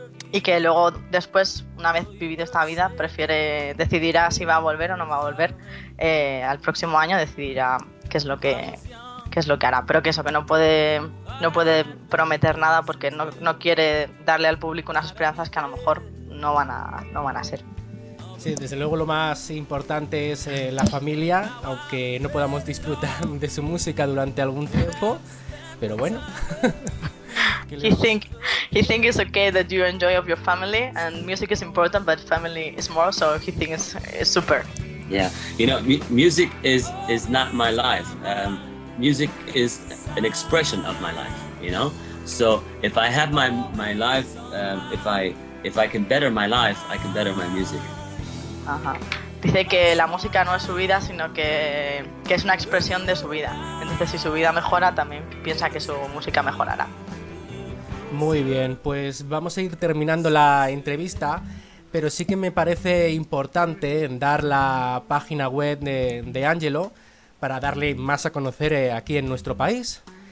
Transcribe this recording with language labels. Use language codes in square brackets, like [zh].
[es] y que luego después, una vez vivido esta vida, prefiere, decidirá si va a volver o no va a volver al próximo año, decidirá qué es lo que hará, pero que eso, que no puede prometer nada porque no quiere darle al público unas esperanzas que a lo mejor no van a ser. Sí, desde luego lo más importante es la familia, aunque no podamos disfrutar de su música durante algún tiempo, pero bueno. [en] He think it's okay that you enjoy of your family, and music is important, but family is more, so he think it's super. Yeah, you know, music is not my life. Music is an expression of my life, you know. So if I have my life, if I can better my life, I can better my music. [es] Dice que la música no es su vida, sino que es una expresión de su vida. Entonces, si su vida mejora, también piensa que su música mejorará. Muy bien, pues vamos a ir terminando la entrevista, pero sí que me parece importante dar la página web de Angelo, para darle más a conocer aquí en nuestro país.